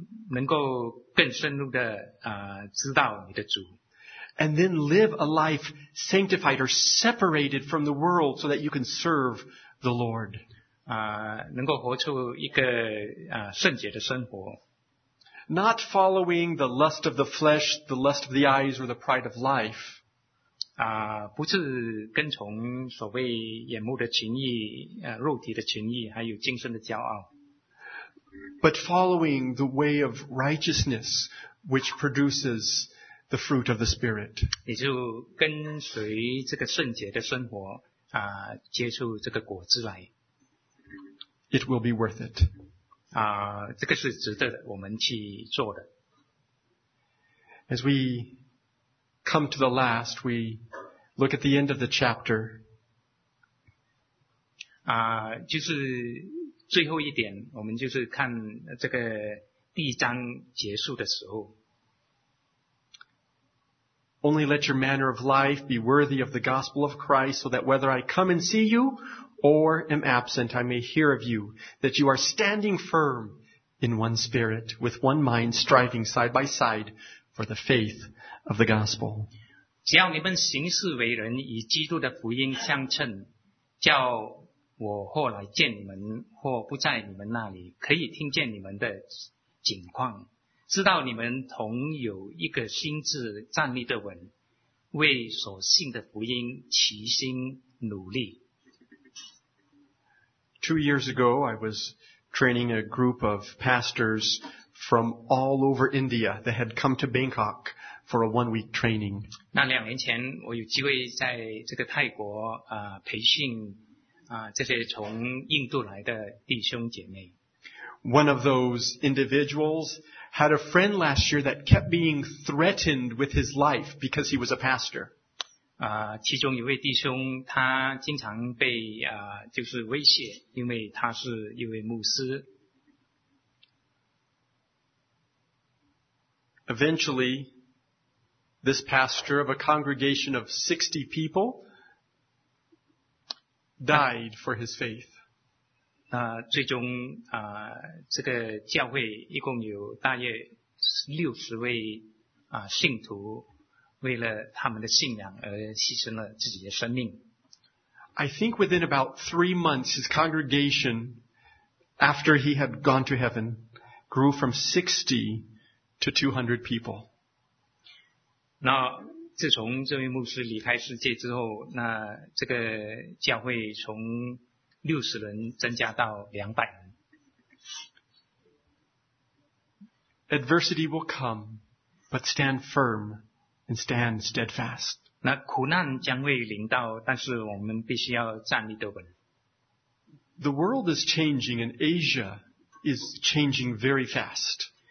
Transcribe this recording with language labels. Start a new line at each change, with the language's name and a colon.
Chinese: 能够更深入的知道你的主。
English: And then live a life sanctified or separated from the world so that you can serve the Lord.
Chinese: 能够活出一个圣洁的生活。
English: Not following the lust of the flesh, the lust of the eyes, or the pride of life.
Chinese: 不是跟从所谓眼目的情欲、肉体的情欲，还有今生的骄傲。
English: But following the way of righteousness, which produces the fruit of the Spirit.
Chinese: 也就跟随这个圣洁的生活结出这个果子来。
English: It will be worth it.
Chinese: 这个是值得我们去做的。
English: As we come to the last, we look at the end of the chapter.
Chinese: 就是最后一点，我们就是看这个第一章结束的时候。
English: Only let your manner of life be worthy of the gospel of Christ, so that whether I come and see you or am absent, I may hear of you, that you are standing firm in one spirit, with one mind, striving side by side for the faith of the gospel.
Chinese: 只要你们行事为人以基督的福音相称，叫我或来见你们，或不在你们那里，可以听见你们的景况。知道你们同有一个心智站立的稳，为所信的福音齐心努力。
English: 2 years ago, I was training a group of pastors from all over India that had come to Bangkok for a 1 week training.
Chinese: 那两年前，我有机会在这个泰国培训这些从印度来的弟兄姐妹。
English: One of those individuals had a friend last year that kept being threatened with his life because he was a pastor.
Chinese: 其中一位弟兄他经常被就是威胁，因为他是一位牧师。
English: Eventually, this pastor of a congregation of 60 people died for his faith.
Chinese: 最终这个教会一共有大约60位信徒为了他们的信仰而牺牲了自己的生命。
English: I think within about 3 months, his congregation, after he had gone to heaven, grew from 60 to 200 people. 那
Chinese: 自从这位牧师离开世界之后，那这个教会从60人增加到200人。
English: Adversity will come, but stand firm and stand steadfast.
Chinese: 那苦难将会临到，但是我们必须要站立得稳。
English: The world is changing, and Asia is changing very fast.